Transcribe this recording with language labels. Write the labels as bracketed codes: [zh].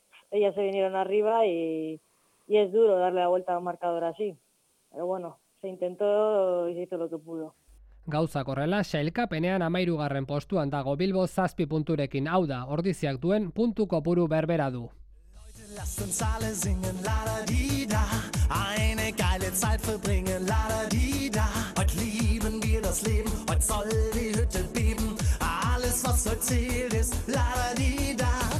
[es] Ellas se vinieron arriba y es duro darle la vuelta a un marcador así. Pero bueno, se intentó y se hizo lo que pudo. [eu] Gauza korrela, sailkapenean 13. Postuan dago Bilbo 7 punturekin, hau da, Ordiziak duen puntu kopuru berbera du. [de] Das Leben, heute soll die Hütte beben, alles was heute zählt ist, la-da-di-da.